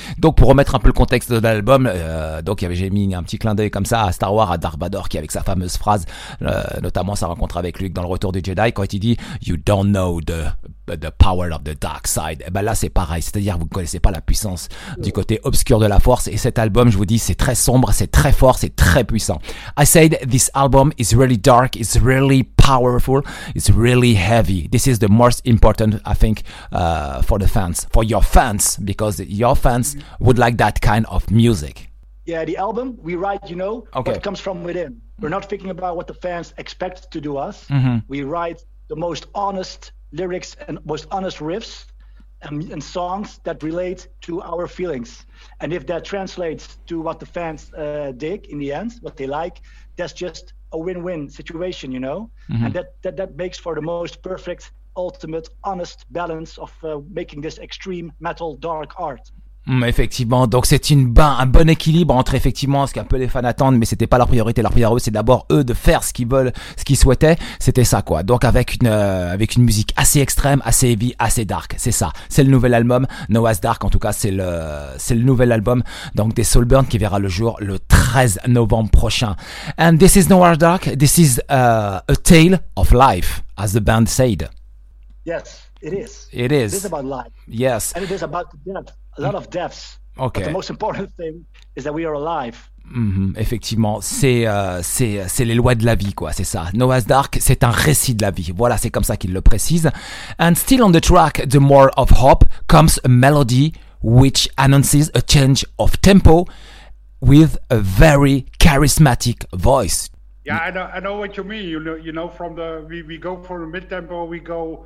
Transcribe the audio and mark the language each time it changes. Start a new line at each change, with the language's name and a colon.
French: Donc, pour remettre un peu le contexte de l'album, donc j'ai mis un petit clin d'œil comme ça à Star Wars, à Darth Vader, qui avec sa fameuse phrase, notamment sa rencontre avec Luke dans le Retour du Jedi, quand il dit
English: "You don't know the power of the dark side."
French: Et ben là, c'est pareil. C'est-à-dire, vous ne connaissez pas la puissance du côté obscur de la Force. Et cet album, je vous dis, c'est très sombre, c'est très fort, c'est très puissant.
English: I said this album is really dark, is really powerful, it's really heavy. This is the most important, I think, for the fans, for your fans, because your fans would like that kind of music. Yeah, the album we write, you know, okay. What comes from within. We're not thinking about what the fans expect to do us. Mm-hmm. We write the most honest lyrics and most honest riffs and songs that relate to our feelings. And if that translates to what the fans dig in the end, what they like, that's just a win-win situation, you know, mm-hmm. And that makes for the most perfect, ultimate, honest balance of making this extreme metal dark art.
French: Effectivement, donc c'est un bon équilibre entre effectivement ce qu'un peu les fans attendent, mais c'était pas leur priorité. Leur priorité, c'est d'abord eux de faire ce qu'ils veulent, ce qu'ils souhaitaient. C'était ça, quoi. Donc avec une musique assez extrême, assez heavy, assez dark. C'est ça. C'est le nouvel album Noah's Dark. En tout cas, c'est le nouvel album donc des Soulburn qui verra le jour le 13 novembre prochain.
English: And this is Noah's Dark. This is a tale of life, as the band said. Yes, it is. It is. It is about life. Yes. And it is about death. A lot of deaths. Okay. But the most important thing is that we are alive. Mm-hmm.
French: Effectivement, c'est les lois de la vie, quoi. C'est ça. Noah's Dark, c'est un récit de la vie. Voilà, c'est comme ça qu'il le précise.
English: And still on the track, The More of Hope, comes a melody which announces a change of tempo with a very charismatic voice. Yeah, I know what you mean. You know, from the we go from the mid tempo, we go.